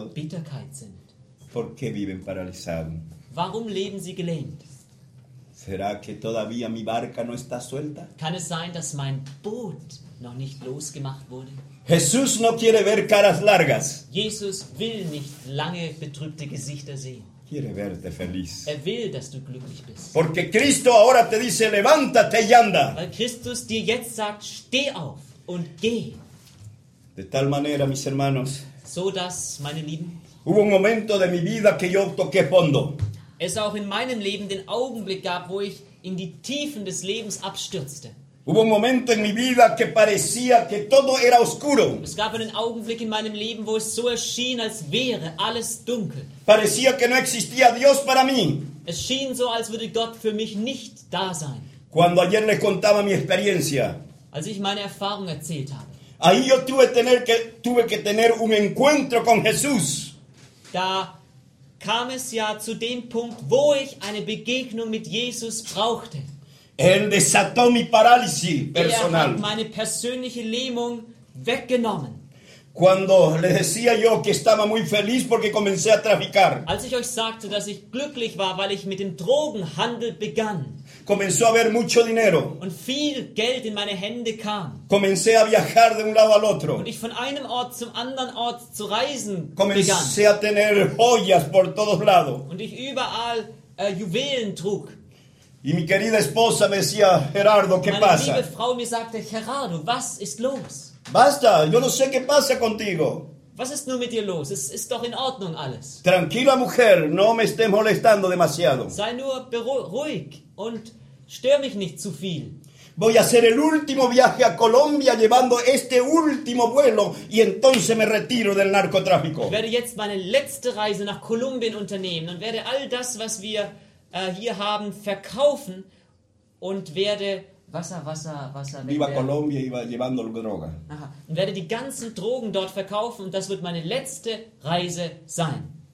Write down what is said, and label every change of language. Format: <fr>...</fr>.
<de>Voller Bitterkeit sind.</de> <es>Porque viven paralizados.</es> <de>Warum leben sie gelähmt?</de> <es>¿Será que todavía mi barca no está suelta?</es> <de>Kann es sein, dass mein Boot noch nicht losgemacht wurde?</de> <es>Jesús no quiere ver caras largas.</es> <de>Jesus will nicht lange betrübte Gesichter sehen.</de> <es>Quiere verte feliz.</es> <de>Er will, dass du glücklich bist.</de> <es>Porque Cristo ahora te dice, levántate y anda.</es> <de>Weil Christus dir jetzt sagt, steh auf und geh.</de> <es>De tal manera, mis hermanos.</es> <de>So dass, meine Lieben.</de> <es>Hubo un momento de mi vida que yo toqué fondo.</es> <de>Es auch in meinem Leben den Augenblick gab, wo ich in die Tiefen des Lebens abstürzte.</de> <es>Hubo un momento en mi vida que parecía que todo era oscuro.</es> <de>Es gab einen Augenblick in meinem Leben, wo es so erschien, als wäre alles dunkel.</de> <es>Parecía que no existía Dios para mí.</es> <de>Es schien so, als würde Gott für mich nicht da sein.</de> <es>Cuando ayer les contaba mi experiencia,</es> <de>als ich meine Erfahrung erzählt habe,</de> <es>ahí yo tuve que tener un encuentro con Jesús.</es> <de>Da kam es ja zu dem Punkt, wo ich eine Begegnung mit Jesus brauchte.</de> <es>Él desató mi parálisis personal.</es> <de>Er hat meine persönliche Lähmung weggenommen.</de> <es>Cuando le decía yo que estaba muy feliz porque comencé a traficar.</es> <de>Als ich euch sagte, dass ich glücklich war, weil ich mit dem Drogenhandel begann.</de> <es>Comenzó a haber mucho dinero.</es> <de>Und viel Geld in meine Hände kam.</de> <es>Comencé a viajar de un lado al otro.</es> <de>Und ich von einem Ort zum anderen Ort zu reisen</de> <es>comencé</es> <de>begann.</de> <es>A tener joyas por todos lados.</es> <de>Und ich überall Juwelen trug.</de> <es>Y mi querida esposa me decía, Gerardo, ¿qué pasa?</es> <de>Meine liebe Frau mir sagte, Gerardo, was ist los?</de> <es>Basta, yo no sé qué pasa contigo.</es> <de>Was ist nur mit dir los? Es ist doch in Ordnung alles.</de> <es>Tranquila, mujer, no me estés molestando demasiado.</es> <de>Sei nur ruhig und stör mich nicht zu viel.</de> <es>Voy a hacer el último viaje a Colombia llevando este último vuelo y entonces me retiro del narcotráfico.</es> <de>Ich werde jetzt meine letzte Reise nach Kolumbien unternehmen und werde all das, was wir hier haben, verkaufen und werde Wasser.</de> <es>Viva Colombia, iba llevando droga. Aha.</es> <de>Und werde die ganzen Drogen dort verkaufen und das wird meine letzte Reise sein.</de>